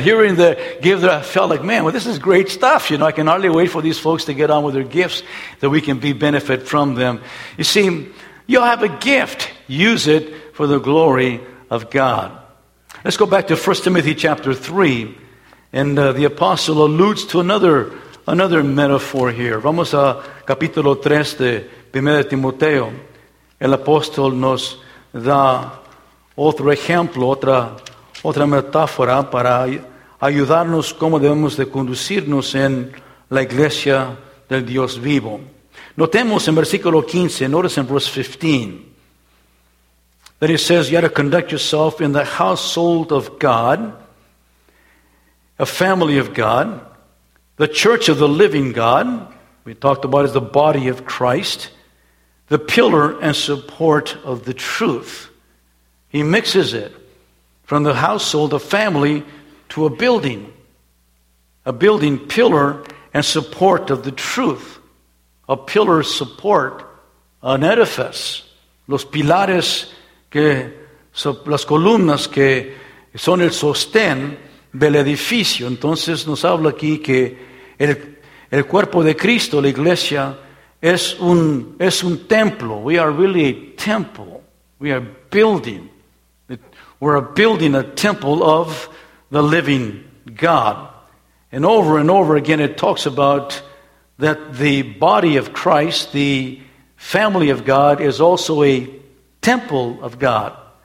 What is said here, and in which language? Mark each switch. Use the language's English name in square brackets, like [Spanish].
[English] Hearing the give, I felt like, man, well, this is great stuff. You know, I can hardly wait for these folks to get on with their gifts that we can benefit from them. You see, you have a gift. Use it for the glory of God. Let's go back to 1 Timothy chapter 3. And the apostle alludes to another metaphor here. [Spanish] Vamos a capítulo 3 de 1 Timoteo. El apóstol nos da otro ejemplo, otra metáfora para ayudarnos cómo debemos de conducirnos en la iglesia del Dios vivo. Notemos en versículo 15, [English] notice in verse 15, that it says, you ought to conduct yourself in the household of God, a family of God, the church of the living God, we talked about as the body of Christ, the pillar and support of the truth. He mixes it from the household, the family, to a building pillar and support of the truth, a pillar support, an edifice. [Spanish] Los pilares, las columnas que son el sostén del edificio. Entonces nos habla aquí que el cuerpo de Cristo, la iglesia, es un templo. [English] We are really a temple. We are building. We're building a temple of the living God. And over again, it talks about that the body of Christ, the family of God, is also a temple of God.